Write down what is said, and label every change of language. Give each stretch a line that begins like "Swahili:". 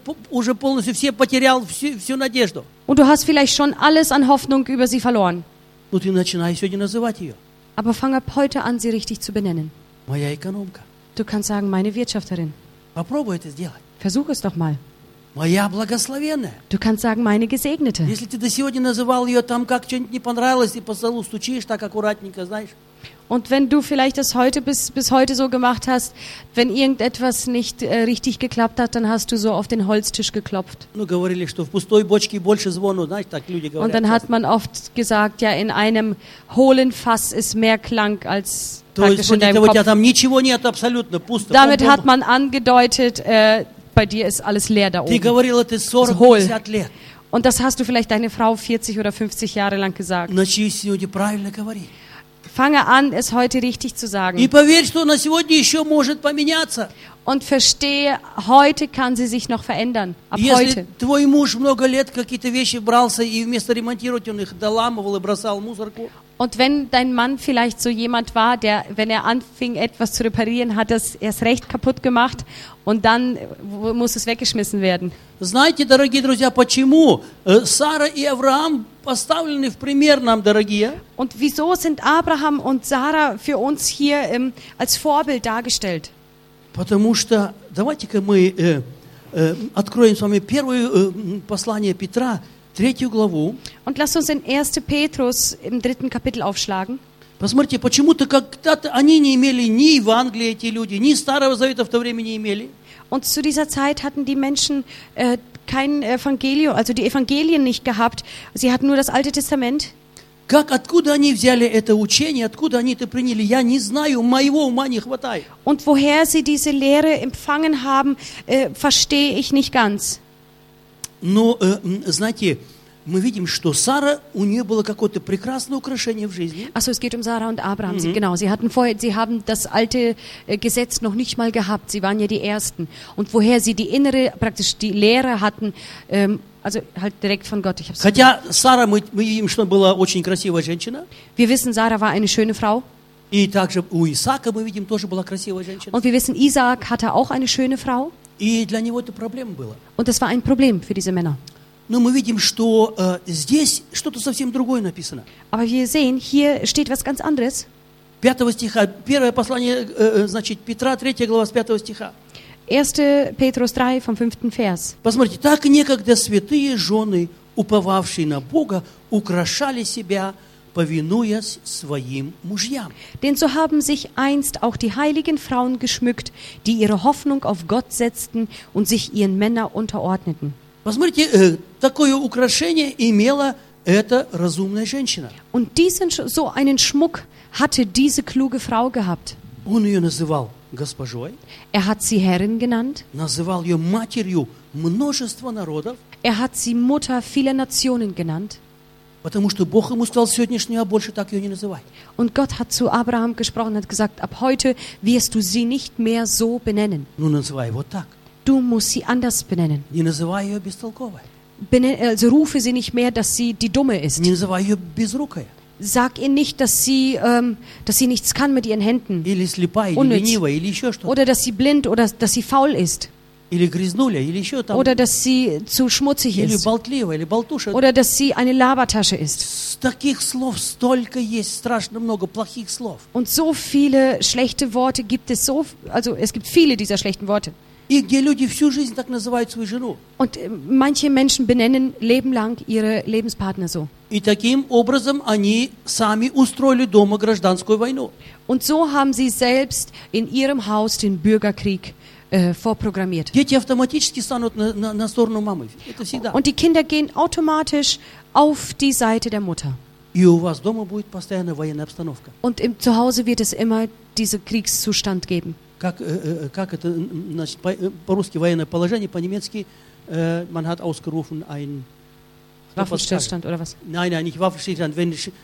Russian: Уже полностью все потерял всю надежду.
German: Und du hast vielleicht schon alles an Hoffnung über sie verloren.
Russian: Но ты начинаешь сегодня называть ее.
German: Aber fang ab heute an, sie richtig zu benennen.
Russian: Моя экономка.
German: Du kannst sagen, meine Wirtschafterin.
Russian: Попробуй это сделать.
German: Versuch es doch mal.
Russian: Моя благословенная.
German: Du kannst sagen, meine Gesegnete.
Russian: Если ты до сегодня называл ее там, как что-нибудь не понравилось, и по столу стучишь так аккуратненько, знаешь.
German: Und wenn du vielleicht das heute bis heute so gemacht hast, wenn irgendetwas nicht richtig geklappt hat, dann hast du so auf den Holztisch geklopft.
Russian: Ну, говорили, что в пустой бочке больше звону, знаешь, так люди говорят.
German: Und dann hat man oft gesagt, ja, in einem hohlen Fass ist mehr Klang als praktisch in deinem Kopf.
Russian: То есть, у тебя там ничего нет абсолютно пусто.
German: Damit hat man angedeutet, bei dir ist alles leer da oben.
Russian: Ты говорила, ты 40-50 лет.
German: Und das hast du vielleicht deine Frau 40 oder 50 Jahre lang gesagt.
Russian: Начни сегодня правильно говорить.
German: Fange an, es heute richtig zu sagen.
Russian: И поверь, что она сегодня еще может поменяться.
German: Und verstehe, heute kann sie sich noch verändern. Ab
Russian: Если
German: heute.
Russian: Твой муж много лет какие-то вещи брался и вместо ремонтировать он их доламывал и бросал мусорку.
German: Und wenn dein Mann vielleicht so jemand war, der, wenn er anfing, etwas zu reparieren, hat es erst recht kaputt gemacht und dann muss es weggeschmissen werden.
Russian: Знаете, дорогие друзья, почему Сара и Авраам поставлены в пример нам, дорогие?
German: Und wieso sind Abraham und Sarah für uns hier als Vorbild dargestellt?
Russian: Потому что, давайте-ка мы откроем с вами первое послание Петра, третью главу.
German: Und lass uns in 1. Petrus im dritten Kapitel aufschlagen.
Russian: Посмотрите, почему-то когда-то они не имели ни Евангелия, эти люди, ни Старого Завета в то время не имели.
German: Und zu dieser Zeit hatten die Menschen kein Evangelium, also die Evangelien nicht gehabt. Sie hatten nur das Alte Testament.
Russian: Как, откуда они взяли это учение, откуда они это приняли, я не знаю, моего ума не хватает.
German: Und woher sie diese Lehre empfangen haben, verstehe ich nicht ganz.
Russian: Но, знаете, мы видим, что Сара, у нее было какое-то прекрасное украшение в жизни.
German: Also, es geht um Sarah und Abraham. Mm-hmm. Genau, sie hatten vorher, sie haben das alte Gesetz noch nicht mal gehabt. Sie waren ja die Ersten. Und woher sie die innere, praktisch die Lehre hatten, also halt direkt von Gott. Ich hab's
Russian: Хотя
German: gesagt.
Russian: Сара, мы видим, что была очень красивая женщина.
German: Wir wissen, Sarah war eine schöne Frau.
Russian: И также у Исаака, мы видим, тоже была красивая женщина.
German: Und wir wissen, Isaac hatte auch eine schöne Frau.
Russian: И для него это проблема была.
German: Und das war ein Problem für diese Männer.
Russian: Но мы видим, что здесь что-то совсем другое написано.
German: Aber wir sehen, hier steht was ganz anderes.
Russian: 5 стиха, первое послание, значит, Петра, 3 глава, с 5 стиха.
German: 1. Petrus 3, vom 5. Vers.
Russian: Посмотрите, так некогда святые жены, уповавшие на Бога, украшали себя, повинуясь своим мужьям.
German: Denn so haben sich einst auch die heiligen Frauen geschmückt, die ihre Hoffnung auf Gott setzten und sich ihren Männern unterordneten.
Russian: Посмотрите, такое украшение имела эта разумная женщина.
German: Und diesen, so einen Schmuck hatte diese kluge Frau gehabt.
Russian: Он ее называл госпожой.
German: Er hat sie Herrin genannt.
Russian: Называл ее матерью множества народов.
German: Er hat sie Mutter vieler Nationen genannt.
Russian: Потому что Бог ему сказал сегодняшнего больше так ее не называть.
German: Und Gott hat zu Abraham gesprochen, hat gesagt, ab heute wirst du sie nicht mehr so benennen.
Russian: Ну, называй его так.
German: Du musst sie anders benennen.
Russian: Не называй ее бестолковой.
German: Also rufe sie nicht mehr, dass sie die Dumme ist.
Russian: Не называй ее безрукой.
German: Sag ihr nicht, dass sie nichts kann mit ihren Händen.
Russian: Или слепая, или ленивая, или еще что-то.
German: Oder dass sie blind oder dass sie faul ist.
Russian: или грязнуля, или еще там,
German: oder dass sie zu schmutzig
Russian: или
German: ist,
Russian: болтливая, или болтуша,
German: oder dass sie eine Labertasche ist.
Russian: С таких слов столько есть, страшно много плохих слов.
German: Und so viele schlechte Worte gibt es, so, also es gibt viele dieser schlechten Worte.
Russian: И где люди всю жизнь так называют свою жену.
German: Und manche Menschen benennen Leben lang ihre Lebenspartner so.
Russian: И таким образом они сами устроили дома гражданскую войну.
German: Und so haben sie selbst in ihrem Haus den Bürgerkrieg vorprogrammiert.
Russian: Дети автоматически станут на сторону мамы. Это всегда.
German: Und die Kinder gehen automatisch auf die Seite der Mutter.
Russian: И у вас дома будет постоянно военная обстановка.
German: Und im Zuhause wird es immer diesen Kriegszustand geben.
Russian: Как это, значит, по-русски военное положение, по-немецки
German: man hat ausgerufen ein Waffenstillstand oder was? Nein, nicht Waffenstillstand, wenn